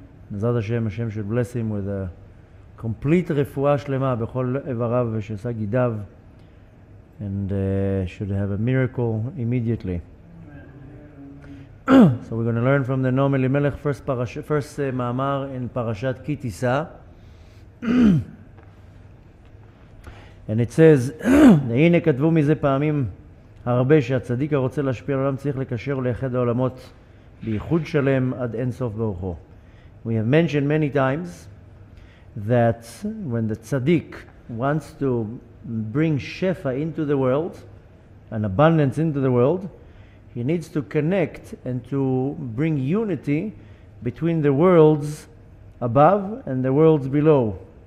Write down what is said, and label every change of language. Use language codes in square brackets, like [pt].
[en] Nezad Hashem, Hashem should bless him with a complete refuah shlema [he] bechol evarav v'shesa gidav, [en] and should have a miracle immediately. So we're going to learn from the Noam Elimelech, first ma'amar in Parashat Ki Tisa. And it says, [he] הנה כתבו מזה פעמים הרבה שהצדיק הרוצה להשפיע על העולם צריך לקשר ולאחד העולמות בייחוד שלם עד אין סוף ברוחו. [en] We have mentioned many times that when the tzaddik wants to bring shefa into the world, an abundance into the world, he needs to connect and to bring unity between the worlds above and the worlds below.